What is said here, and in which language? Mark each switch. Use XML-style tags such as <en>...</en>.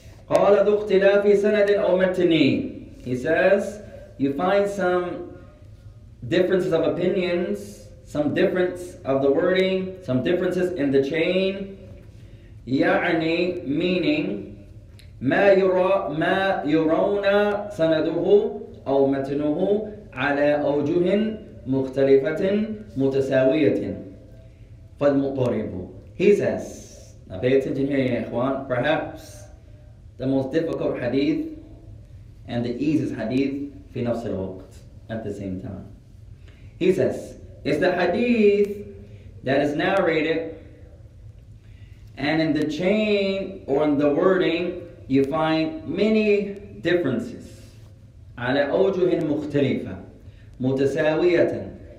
<ar>قال ذو اختلاف سند أو متني.</ar> <en>He says, you find some differences of opinions, some difference of the wording, some differences in the chain.</en> <ar>يعني</ar> <en>meaning</en> <ar>ما يرى ما يرون سنده أو متنه على أوجه مختلفة متساوية فالمقارب.</ar> <en>He says, now pay attention here,</en> <ar>يا إخوان.</ar> <en>Perhaps the most difficult hadith and the easiest hadith</en> <ar>في نفس الوقت</ar> <en>at the same time. He says, it's the hadith that is narrated and in the chain or in the wording you find many differences.</en> <ar>على أوجه مختلفة متساوية.</ar>